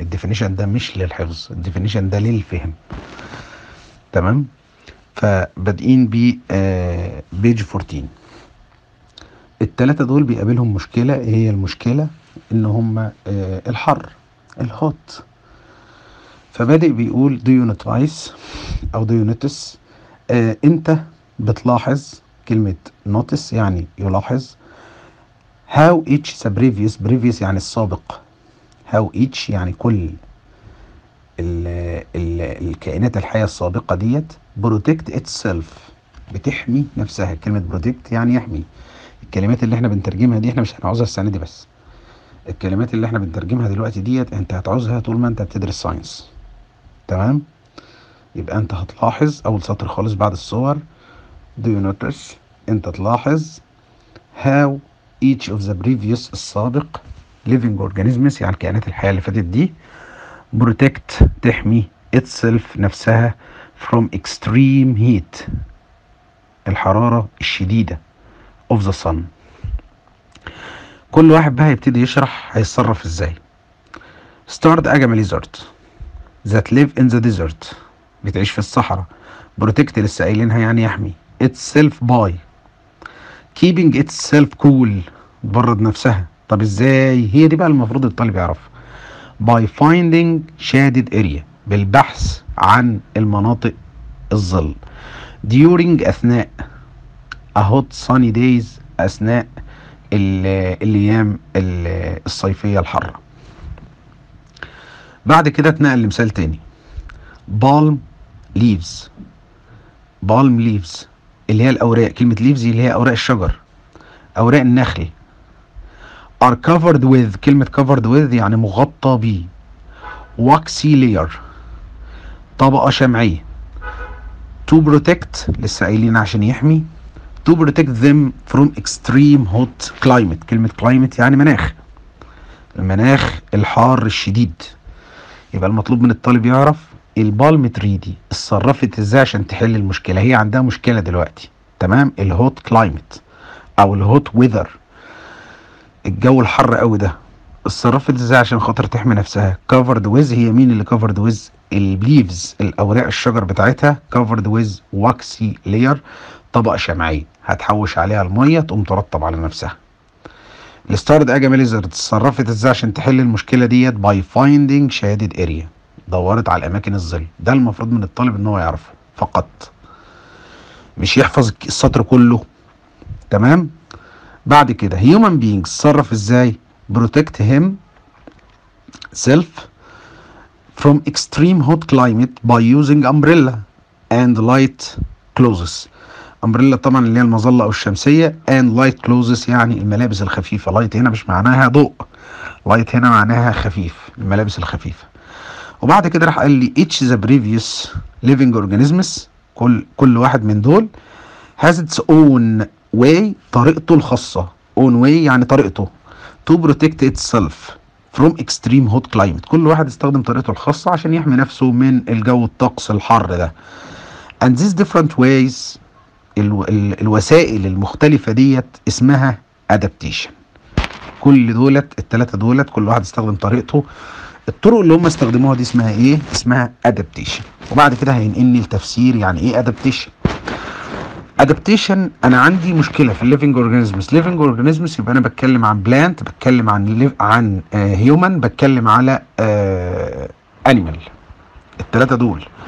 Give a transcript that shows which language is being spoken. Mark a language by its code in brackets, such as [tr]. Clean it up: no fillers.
[ar] الديفينيشن ده مش للحفظ، الديفينيشن ده للفهم. تمام. فبادئين ب بيج 14. التلاتة دول بيقابلهم مشكلة. ايه هي المشكلة؟ ان هم الحر، الهوت. فبادئ بيقول [en] do you notice او do you notice. [ar] انت بتلاحظ، كلمة notice يعني يلاحظ. [en] how each is a previous، previous [ar] يعني السابق. [en] how each [ar] يعني كل الـ الكائنات الحية السابقة ديت [en] protect itself، [ar] بتحمي نفسها. كلمة protect يعني يحمي. الكلمات اللي احنا بنترجمها دي احنا مش هنعوزها السنة دي، بس الكلمات اللي احنا بنترجمها دلوقتي ديت انت هتعوزها طول ما انت بتدرس ساينس. تمام. يبقى انت هتلاحظ اول سطر خالص بعد الصور [en] do you notice، [ar] انت تلاحظ [en] how each of the previous [ar] السابق [en] living organisms [ar] يعني الكائنات الحية اللي فاتت دي [en] protect [ar] تحمي itself نفسها [en] from extreme heat [ar] الحرارة الشديدة [en] of the sun. [ar] كل واحد بقى يبتدي يشرح هيتصرف ازاي. [en] start agam lizard that live in the desert [ar] بتعيش في الصحراء. [en] protect [ar] لسه قايلينها يعني يحمي [en] itself by keeping itself cool [ar] تبرد نفسها. طب ازاي؟ هي دي بقى المفروض الطالب يعرف. [en] by finding shaded area [ar] بالبحث عن المناطق الظل. [en] during [ar] اثناء [en] a hot sunny days [ar] اثناء الايام الصيفية الحارة. بعد كده اتنقل لمثال تاني. بالم ليفز، بالم ليفز اللي هي الاوراق. كلمة ليفز اللي هي اوراق الشجر، اوراق النخل. [en] are covered with، [ar] كلمة [en] covered with [ar] يعني مغطى ب. [en] waxy layer [ar] طبقة شمعية. [en] to protect [ar] لسه قايلين عشان يحمي. [en] to protect them from extreme hot climate، كلمة climate [ar] يعني مناخ، المناخ الحار الشديد. يبقى المطلوب من الطالب يعرف البالم تري دي اتصرفت ازاي عشان تحل المشكله. هي عندها مشكله دلوقتي، تمام، الهوت كلايمت او الهوت ويذر، الجو الحر قوي ده، اتصرفت ازاي عشان خاطر تحمي نفسها. كفرد ويز، هي مين اللي كفرد ويز؟ الليفز، الاوراق الشجر بتاعتها. كفرد ويز واكسي لير، طبقه شمعيه هتحوش عليها الميه تقوم ترطب على نفسها. الستارد اجا ميليزر اتصرفت ازاي عشان تحل المشكلة ديت؟ [en] by finding shaded area، [ar] دورت على الاماكن الظل. ده المفروض من الطالب ان هو يعرفه فقط، مش يحفظ السطر كله. تمام. بعد كده [en] human being [ar] اتصرف ازاي؟ [en] protect him self from extreme hot climate by using umbrella and light clothes. [ar] امبريلا طبعا اللي هي المظلة او الشمسية. [en] and light clothes [ar] يعني الملابس الخفيفة. [en] light [ar] هنا مش معناها ضوء، light هنا معناها خفيف، الملابس الخفيفة. وبعد كده راح قال لي [en] each the previous living organisms، [ar] كل واحد من دول [en] has its own way، [ar] طريقته الخاصة. [en] own way [ar] يعني طريقته [en] to protect itself from extreme hot climate، [ar] كل واحد استخدم طريقته الخاصة عشان يحمي نفسه من الجو الطقس الحر ده. [en] and these different ways، [ar] الوسائل المختلفة دي اسمها adaptation. كل دولت التلاتة دولت كل واحد استخدم طريقته، الطرق اللي هم استخدموها دي اسمها ايه؟ اسمها adaptation. وبعد كده هينقلني التفسير يعني ايه adaptation. adaptation انا عندي مشكلة في living organisms. [en] living organisms [ar] يبقى انا بتكلم عن plant، بتكلم عن human، بتكلم على animal، التلاتة دول.